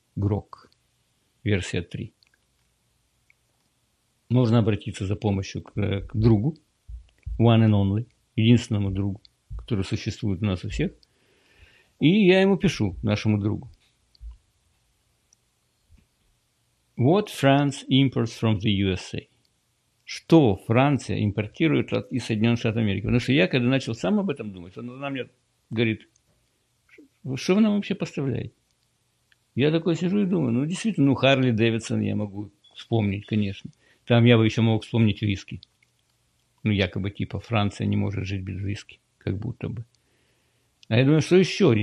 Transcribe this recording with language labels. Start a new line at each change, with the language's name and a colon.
Russian: Grok. Версия 3. Можно обратиться за помощью к другу.
English: One and only.
Russian: Единственному другу, которые существуют у нас у всех. И я ему пишу, нашему другу.
English: What France imports from the USA?
Russian: Что Франция импортирует из Соединенных Штатов Америки? Потому что я, когда начал сам об этом думать, она мне говорит, что вы нам вообще поставляете? Я такой сижу и думаю, ну, действительно, ну, Харли Дэвидсон я могу вспомнить, конечно. Там я бы еще мог вспомнить виски. Ну, якобы, типа, Франция не может жить без виски. Как будто бы. А я думаю, что еще?